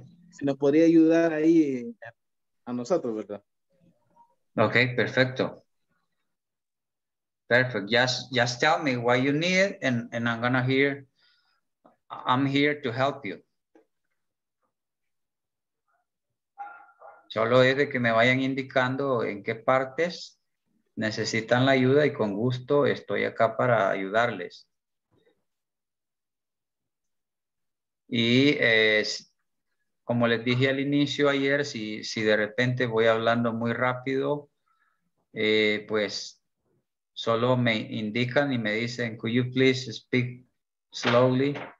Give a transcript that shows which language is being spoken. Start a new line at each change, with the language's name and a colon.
Spanish: si nos podría ayudar ahí a nosotros, ¿verdad?
English: Okay, perfecto. Perfect. Just tell me what you need and I'm here to help you.
Spanish: Solo es de que me vayan indicando en qué partes necesitan la ayuda y con gusto estoy acá para ayudarles. Y como les dije al inicio ayer, si de repente voy hablando muy rápido, pues solo me indican y me dicen,
English: could you please speak slowly?